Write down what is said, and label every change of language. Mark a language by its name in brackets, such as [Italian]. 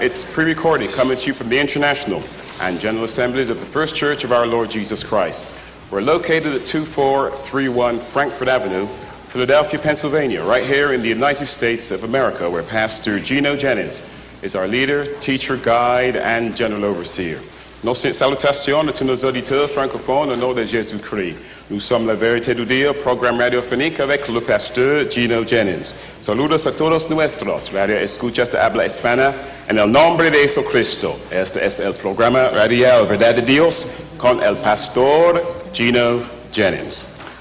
[English] It's pre-recorded, coming to you from the International and General Assemblies of the First Church of our Lord Jesus Christ. We're located at 2431 Frankfort Avenue, Philadelphia, Pennsylvania, right here in the United States of America, where Pastor Gino Jennings is our leader, teacher, guide, and general overseer. [French] Nos salutations à tous nos auditeurs francophones au nom de Jésus-Christ. Nous sommes la vérité du Dieu, programme radiophonique avec le pasteur Gino Jennings. [Spanish] Saludos a todos nuestros, radio escuchas de habla hispana, en el nombre de Jesucristo. Este es el programa radial Verdad de Dios con el pastor Gino Jennings.